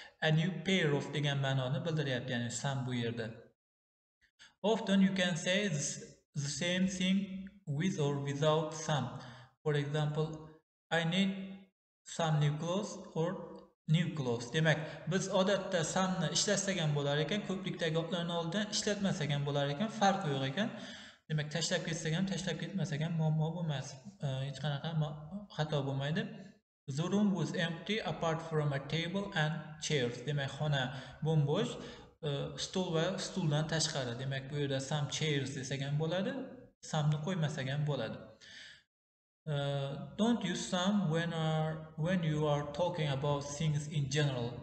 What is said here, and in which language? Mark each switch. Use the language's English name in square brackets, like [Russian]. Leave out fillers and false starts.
[English] A new pair of [Uzbek] degan ma'noni bildiryapti, ya'ni some bu yerda. [English] Often you can say the same thing with or without some. For example, I need some new clothes or new clothes. [Uzbek] Demak, biz odatda some'ni ishlatsagan bo'lar ekan, ko'plikdagi otlarni oldidan ishlatmasagan bo'lar ekan, farq yo'q ekan. Demak, tashlab ketsak ham, tashlab ketmasak ham muammo bo'lmas. Hech qanaqa xato bo'lmaydi. [English] The room was empty apart from a table and chairs. [Uzbek] Demak, xona bo'm-bo'sh, stol va stuldan tashqari. Demak, bu yerda some chairs desak ham bo'ladi, some'ni qo'ymasak ham bo'ladi. [English] Don't use some when you are talking about things in general.